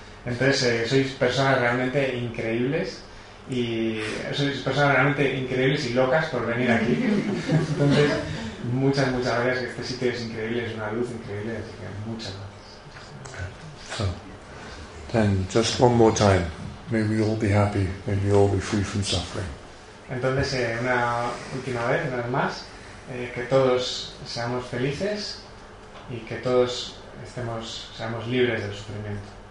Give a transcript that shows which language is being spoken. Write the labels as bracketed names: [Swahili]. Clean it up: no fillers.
[Spanish] Entonces sois personas realmente increíbles, y sois personas realmente increíbles y locas por venir aquí. Entonces, muchas, muchas gracias. Este sitio es increíble, es una luz increíble, así que muchas gracias. [English] So, then just one more time. May we all be happy. May we all be free from suffering. [Spanish] Entonces, una última vez, una vez más, que todos seamos felices y que todos seamos libres del sufrimiento.